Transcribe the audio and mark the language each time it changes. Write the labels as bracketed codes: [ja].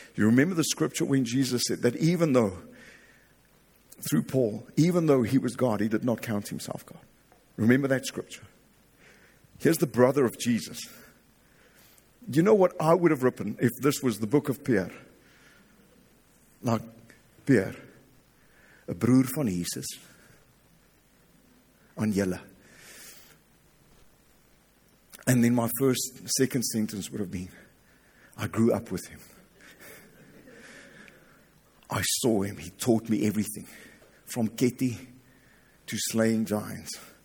[en] You remember the scripture when Jesus said that even though, through Paul, even though he was God, he did not count himself God. Remember that scripture? Here's the brother of Jesus. You know what I would have written if this was the book of Pierre? Like, [af] Pierre, a broer van Jesus, aan julle. [en] And then my second sentence would have been, I grew up with him. I saw him. He taught me everything. From Keti to slaying giants.